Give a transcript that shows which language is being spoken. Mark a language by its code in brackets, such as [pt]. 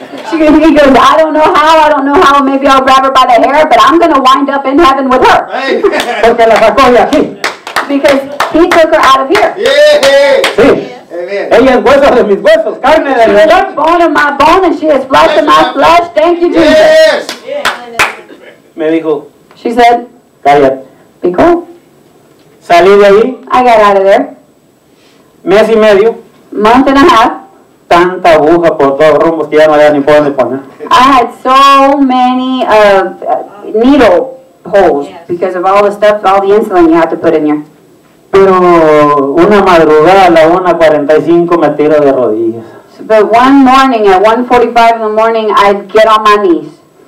[en] He goes, I don't know how, maybe I'll grab her by the hair, but I'm going to wind up in heaven with her. [es] Porque la sacó de aquí. [en] Because he took her out of here. Yeah. [es] Sí. [en] Amen. [es] Ella es hueso de mis huesos, carne de mi carne. [en] Bone of my bone, and she is flesh of my flesh. Thank you, Jesus. Yes. [es] Me dijo. [en] She said. [es] Cállate. [en] Be cool. [es] Salí de ahí. [en] I got out of there. [es] Mes y medio. [en] Month and a half. [es] Tanta aguja por todos los rumbos que ya no había ni por dónde poner. [en] I had so many needle holes, yes. Because of all the stuff, all the insulin you have to put in here. [es] Pero una madrugada a la 1:45 me tiro de rodillas. [en] So, but one morning at 1:45 in the morning I'd get on my knees.